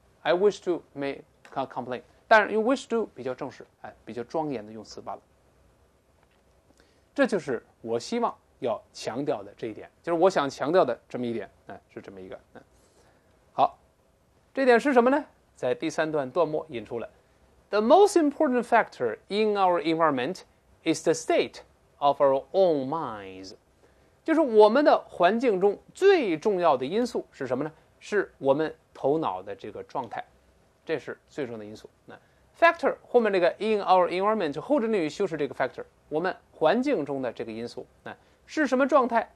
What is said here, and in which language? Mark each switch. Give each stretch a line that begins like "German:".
English: I wish to make a complaint，
Chinese: 但是用 wish to 比较正式，比较庄严的用词罢了。这就是我希望要强调的这一点，就是我想强调的这么一点，是这么一个。好，这点是什么呢？在第三段段末引出了，
English: The most important factor in our environment is the state of our own minds.
Chinese: 就是我们的环境中最重要的因素是什么呢？是我们头脑的这个状态，这是最重要的因素。那 factor 后面这个
English: in our environment
Chinese: 后置定语修饰这个 factor， 我们环境中的这个因素，那是什么状态？